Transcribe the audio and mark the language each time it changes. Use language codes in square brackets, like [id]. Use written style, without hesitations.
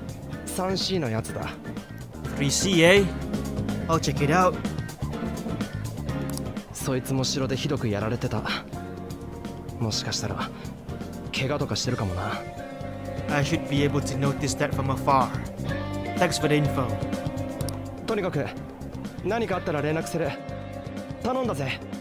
[ja] 覚えたやつに3年のバレー部がいた。確か3Cのやつだ。 [en] 3C, eh? I'll check it out. [ja] そいつも城でひどくやられてた。もしかしたら怪我とかしてるかもな。 [en] I should be able to notice that from afar. Thanks for the info. [ja] とにかく、何かあったら連絡する。頼んだぜ。